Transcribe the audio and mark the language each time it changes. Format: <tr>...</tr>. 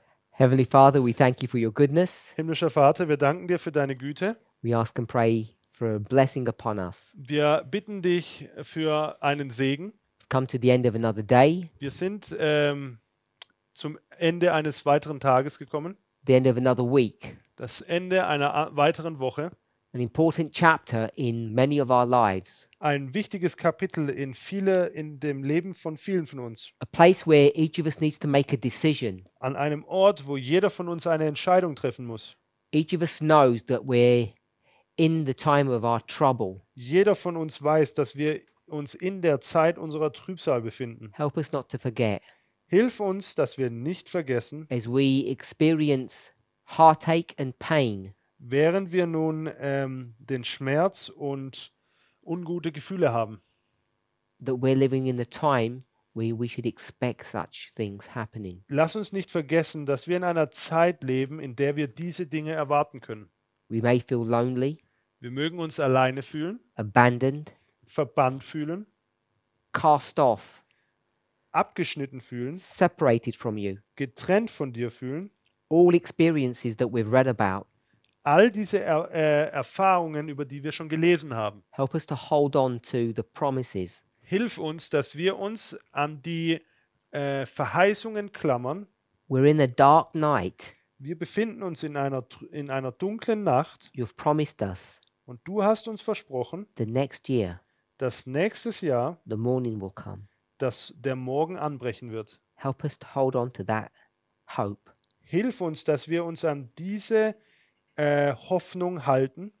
<en>Heavenly Father, we thank you for your goodness.</en> <de>Himmlischer Vater, wir danken dir für deine Güte.</de> <en>We ask and pray for a blessing upon us.</en> <de>Wir bitten dich für einen Segen.</de> <en>Come to the end of another day.</en> <de>Wir sind zum Ende eines weiteren Tages gekommen.</de> <en>The end of another week.</en> <de>Das Ende einer weiteren Woche.</de> <en>An important chapter in many of our lives.</en> <de>Ein wichtiges Kapitel in viele in dem Leben von vielen von uns.</de> <en>A place where each of us needs to make a decision.</en> <de>An einem Ort, wo jeder von uns eine Entscheidung treffen muss.</de> <en>Each of us knows that we're in the time of our trouble.</en> <de>Jeder von uns weiß, dass wir uns in der Zeit unserer Trübsal befinden.</de> <en>Help us not to forget.</en> <de>Hilf uns, dass wir nicht vergessen.</de> <en>As we experience heartache and pain.</en> <de>Während wir nun den Schmerz und ungute Gefühle haben.</de> <en>That we're living in a time where we should expect such things happening.</en> <de>Lass uns nicht vergessen, dass wir in einer Zeit leben, in der wir diese Dinge erwarten können.</de> <en>We may feel lonely.</en> <de>Wir mögen uns alleine fühlen.</de> <en>Abandoned.</en> <de>Verbannt fühlen.</de> <en>Cast off.</en> <de>Abgeschnitten fühlen.</de> <en>Separated from you.</en> <de>Getrennt von dir fühlen.</de> <en>All experiences that we've read about.</en> <de>All diese Erfahrungen, über die wir schon gelesen haben.</de> <en>Help us to hold on to the promises.</en> <de>Hilf uns, dass wir uns an die Verheißungen klammern.</de> <en>We're in a dark night.</en> <de>Wir befinden uns in einer dunklen Nacht.</de> <en>You've promised us.</en> <de>Und du hast uns versprochen,</de> <en>the next year,</en> <de>dass nächstes Jahr</de> <en>the morning will come.</en> <de>Dass der Morgen anbrechen wird.</de> <en>Help us to hold on to that hope.</en> <de>Hilf uns, dass wir uns an diese Hoffnung halten.</de>